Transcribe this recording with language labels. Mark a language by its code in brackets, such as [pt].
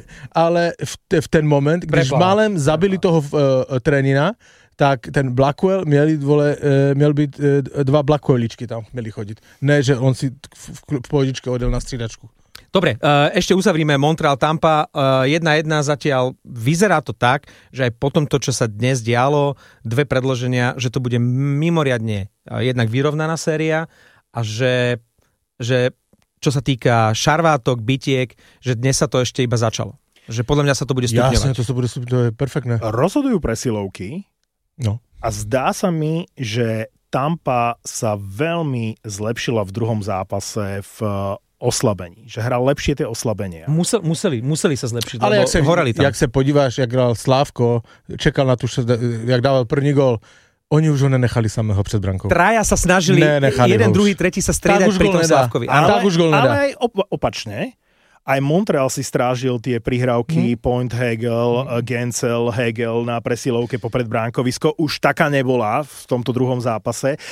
[cs] Ale v ten moment, když málem zabili toho trenina, tak ten Blackwell měl být dva Blackwelličky tam měli chodit. Ne, že on si v pohodičke odjel na střídačku. [sk] Dobre, ešte uzavrime Montreal Tampa 1-1, zatiaľ vyzerá to tak, že aj po tomto, čo sa dnes dialo, dve predloženia, že to bude mimoriadne jednak vyrovnaná séria a že čo sa týka šarvátok, bitiek, že dnes sa to ešte iba začalo. Že podľa mňa sa to bude stupňovať. Jasne, to sa bude stupňovať, to je perfektné. Rozhodujú presilovky. No. A zdá sa mi, že Tampa sa veľmi zlepšila v druhom zápase v oslabení. Že hral lepšie tie oslabenia. Museli sa zlepšiť, ale lebo horali tam. [cs] Ale jak sa podíváš, jak hral Slávko, čekal na to, jak dával první gol, oni už ho nenechali samého pred brankou. [sk] Traja sa snažili, jeden, druhý, tretí sa striedať pri tom Slávkovi. Tak už gol nedá. Ale aj opačne, Aj Montreal si strážil tie prihrávky Point Hegel, Gensel, Hegel na presilovke popred bránkovisko. Už taká nebola v tomto druhom zápase.